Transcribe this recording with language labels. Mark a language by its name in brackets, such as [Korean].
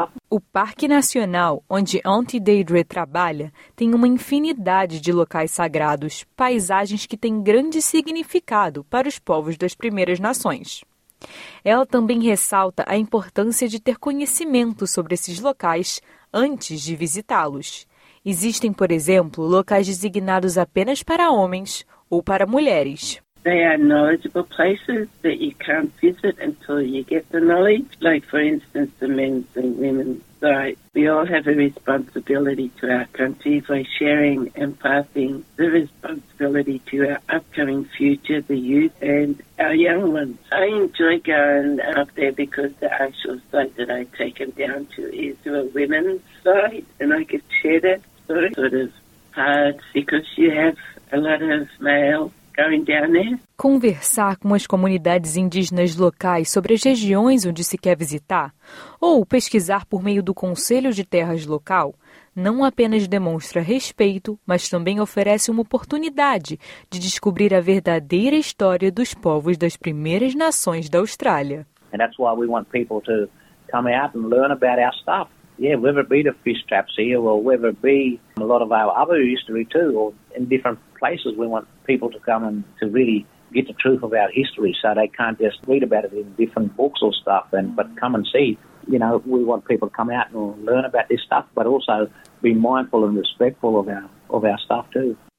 [Portuguese] O Parque Nacional, onde Auntie Deirdre trabalha, tem uma infinidade de locais sagrados, paisagens que têm grande significado para os povos das Primeiras Nações. Ela também ressalta a importância de ter conhecimento sobre esses locais antes de visitá-los. Existem, por exemplo, locais designados apenas para homens ou para mulheres. [English] They are knowledgeable places that you can't visit until you get the knowledge. Like, for instance, the men's and women's rights. We all have a responsibility to our country by sharing and passing the responsibility to our upcoming future, the youth and our young ones. I enjoy going up there because the actual site that I take them down to is a women's site, and I could share that story. Sort of hard because you have a lot of male. [Portuguese] Conversar com as comunidades indígenas locais sobre as regiões onde se quer visitar ou pesquisar por meio do Conselho de Terras local não apenas demonstra respeito, mas também oferece uma oportunidade de descobrir a verdadeira história dos povos das Primeiras Nações da Austrália. E é por isso que queremos que as pessoas venham e aprendam sobre a nossa história. [English] Yeah, whether it be the fish traps here or whether it be a lot of our other history too or in different places, we want people to come and to really get the truth of our history so they can't just read about it in different books or stuff, but come and see. You know, we want people to come out and learn about this stuff, but also be mindful and respectful of our stuff too.